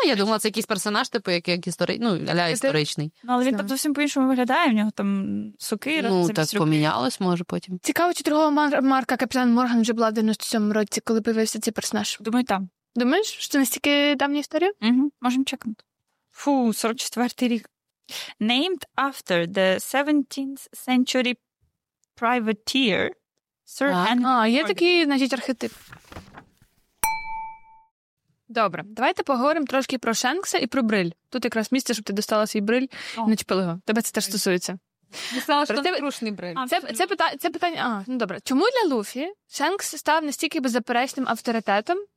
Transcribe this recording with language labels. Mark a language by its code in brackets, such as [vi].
[uk] Я думала, це якийсь персонаж, типу, як історичний. Ну, але він там зовсім по-іншому виглядає, в нього там сокира. Ну, так помінялось, може, потім. Цікаво, чи другого Марка Капітан Морган вже була в 97-му році, коли появився цей персонаж? Думаю, там. Думаєш, що настільки давня історія? Угу, можемо чекнути. Фу, 44-й рік. [en] Named after the 17th century privateer Sir Henry. [uk] А, є такий, значить, архетип. Добре, давайте поговоримо трошки про Шенкса і про бриль. Тут якраз місце, щоб ти достала свій бриль і начепила його. Тебе це теж стосується. Дістала, що це трушний бриль. Це питання. Ну добре. Чому для Луфі Шенкс став настільки беззаперечним авторитетом?